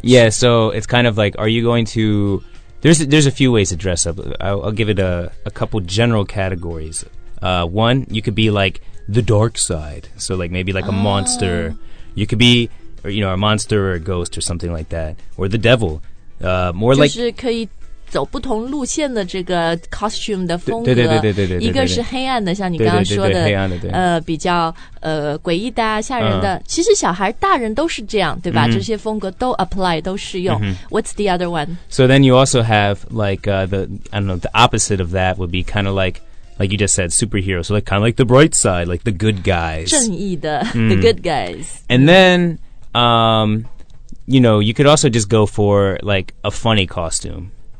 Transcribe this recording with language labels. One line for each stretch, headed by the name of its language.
English: yeah so it's kind of like are you going to there's a few ways to dress up I'll give it a couple general categories one you could be like the dark side so like maybe like a monster you could be or, you know a monster or a ghost or something like that or the devil more like
Chinese: 就是可以走不同路线的这个 costume 的风格，对对对对对对，一个是黑暗的，像你刚刚说的，黑暗的，对，比较诡异的、吓人的。其实小孩、大人都是这样，对吧？这些风格都 apply 都适用。
English: What's the other one? So then you also have like the I don't know the opposite of that would be kind of like you just said superhero. So like kind of like the bright side, like the good guys,
Chinese: 正义的
English: the good guys. And then you know you could also just go for like a funny costume.